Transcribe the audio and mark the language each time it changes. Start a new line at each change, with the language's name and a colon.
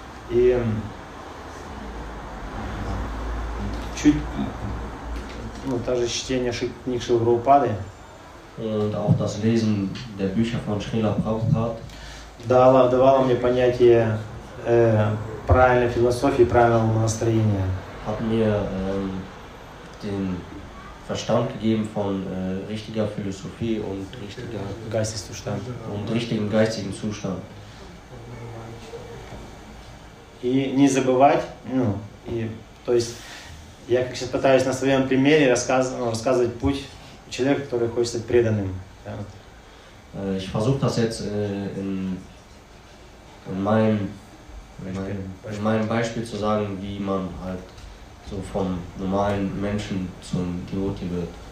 Russian: И чуть, ну, та же чтение книг Шрилы Прабхупады.
German: Und auch das Lesen der Bücher von Шрила Прабхупады.
Russian: Давало мне понятие правильной философии, правильного настроения.
German: Hat mir den Verstand gegeben von richtiger Philosophie und richtiger Geisteszustand. Und richtigen geistigen Zustand.
Russian: И не забывать, ну, и, то есть, я как сейчас пытаюсь на своем примере рассказывать путь человека, который хочет стать преданным.
German: Ich versuche das jetzt in meinem Beispiel zu sagen, wie man halt so vom normalen Menschen zum Devotee wird.